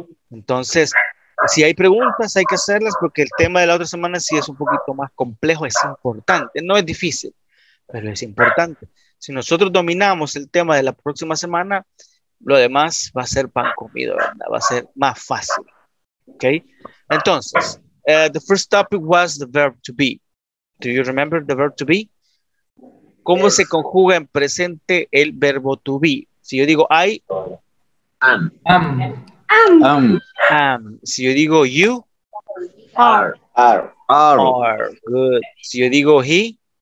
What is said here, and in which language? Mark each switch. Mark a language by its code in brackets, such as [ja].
[es] Entonces, si hay preguntas, hay que hacerlas porque el tema de la otra semana sí es un poquito más complejo, es importante. No es difícil, pero es importante. Si nosotros dominamos el tema de la próxima semana, lo demás va a ser pan comido, ¿verdad? Va a ser más fácil. Okay. [en] Entonces, the first topic was the verb to be. Do you remember the verb to be? [es] ¿Cómo se conjuga en presente el verbo to be? Si yo digo I, [en] am. [es] Si yo digo you, [en] are. [es] Good. Si yo digo he,